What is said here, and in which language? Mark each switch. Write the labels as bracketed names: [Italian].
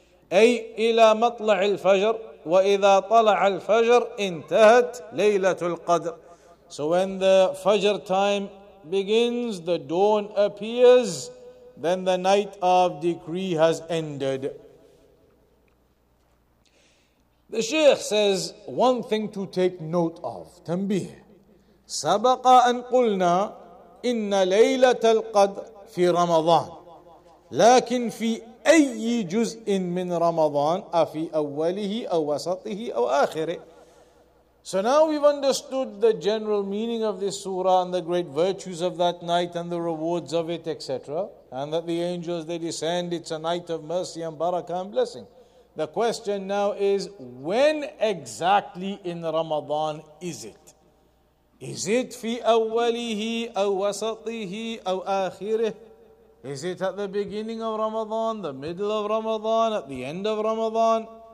[Arabic] Ay ila matla'il fajr. وَإِذَا طَلَعَ الْفَجْرُ انْتَهَتْ لَيْلَةُ الْقَدْرِ. [English] So when the fajr time begins, the dawn appears, then the night of decree has ended. The Shaykh says one thing to take note of. [Arabic] تَنْبِيهِ سَبَقَ أَنْ قُلْنَا إِنَّ لَيْلَةَ الْقَدْرِ فِي رَمَضَانِ لَكِنْ فِي أي جزء من رمضان أفي أوله أو وسطه أو آخره. [English] So now we've understood the general meaning of this surah and the great virtues of that night and the rewards of it, etc. And that the angels, they descend, it's a night of mercy and barakah and blessing. The question now is, when exactly in Ramadan is it? Is it [Arabic] في أوله أو وسطه أو آخره? [English] Is it at the beginning of Ramadan, the middle of Ramadan, at the end of Ramadan?